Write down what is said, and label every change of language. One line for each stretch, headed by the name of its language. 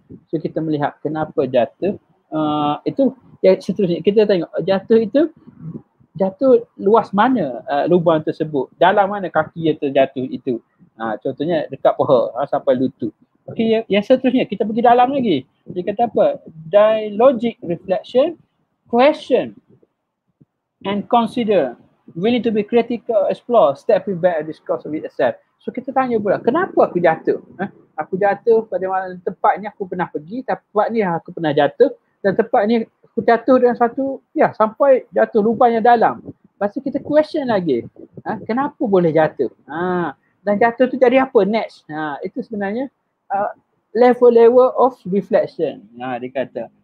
Malay: So kita melihat kenapa jatuh. Itu yang seterusnya kita tengok jatuh luas mana lubang tersebut, dalam mana kaki yang terjatuh itu. Contohnya dekat paha sampai lutut. Okay, yang seterusnya kita pergi dalam lagi. Dia kata apa?
English: Dialogic reflection, question and consider, willing to be critical, explore, stepping back and discuss with yourself.
Malay: So kita tanya pula, kenapa aku jatuh? Aku jatuh pada tempat ni aku pernah pergi, tempat ni aku pernah jatuh, dan tempat ni aku jatuh dengan satu, sampai jatuh lubang yang dalam. Lepas tu kita question lagi, kenapa boleh jatuh? Dan jatuh tu jadi apa next? Itu sebenarnya level-level of reflection. Dia kata.